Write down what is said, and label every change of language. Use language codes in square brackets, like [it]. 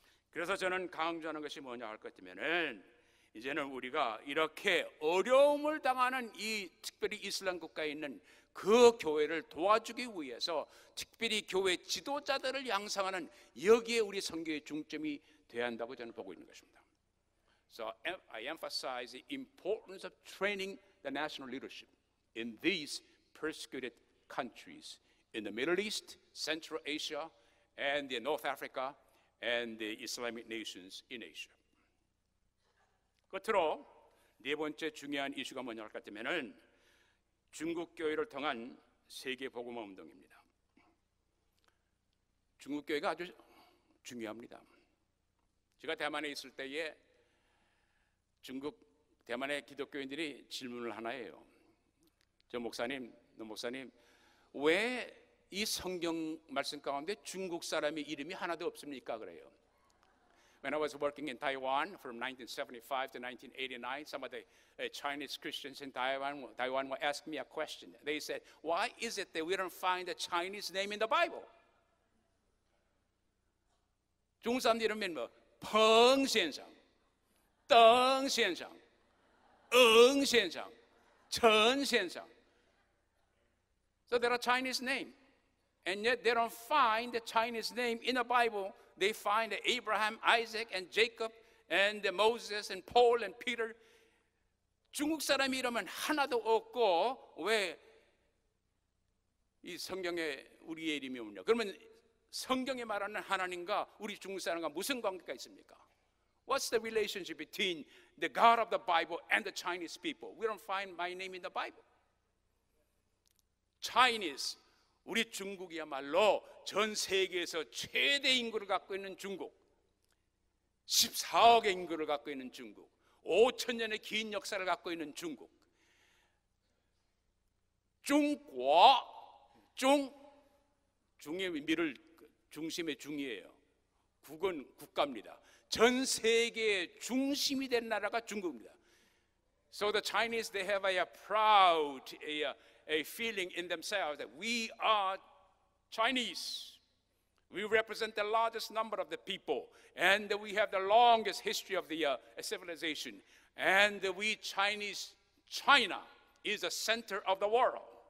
[ko] 그래서 저는 강조하는 것이 뭐냐 할 것이면은 이제는 우리가 이렇게 어려움을 당하는 이 특별히 이슬람 국가에 있는 그 교회를 도와주기 위해서 특별히 교회 지도자들을 양성하는 여기에 우리 선교의 중점이 돼야 한다고 저는 보고 있는 것입니다. [en] So I emphasize the importance of training the national leadership in these persecuted countries in the Middle East, Central Asia, and the North Africa and the Islamic nations in Asia. [ko] 끝으로 네 번째 중요한 이슈가 뭐냐 할 것 같으면은 중국 교회를 통한 세계 복음화 운동입니다. 중국 교회가 아주 중요합니다. 제가 대만에 있을 때에 중국 대만의 기독교인들이 질문을 하나 해요. 저 목사님, 너 목사님, 왜 이 성경 말씀 가운데 중국 사람의 이름이 하나도 없습니까? 그래요. [en] When I was working in Taiwan from 1975 to 1989, some of the Chinese Christians in Taiwan were asking me a question. They said, why is it that we don't find a Chinese name in the Bible? [ko] 중국 사람들 이름은 뭐? 펑先生, 덩先生, 응先生, 陈先生. [en] So they're a Chinese name. And yet they don't find the Chinese name in the Bible. They find Abraham, Isaac, and Jacob, and Moses, and Paul, and Peter. [ko] 중국 사람 이름은 하나도 없고 왜 이 성경에 우리의 이름이 없냐? 그러면 성경에 말하는 하나님과 우리 중국 사람과 무슨 관계가 있습니까? [en] What's the relationship between the God of the Bible and the Chinese people? We don't find my name in the Bible. Chinese. [ko] 우리 중국이야말로 전 세계에서 최대 인구를 갖고 있는 중국, 14억의 인구를 갖고 있는 중국, 5천년의 긴 역사를 갖고 있는 중국, 중과 중, 중의 미를 중심의 중이에요. 국은 국가입니다. 전 세계의 중심이 된 나라가 중국입니다. [en] So the Chinese, they have a proud a feeling in themselves that we are Chinese. We represent the largest number of the people and we have the longest history of the civilization and we Chinese, China is the center of the world.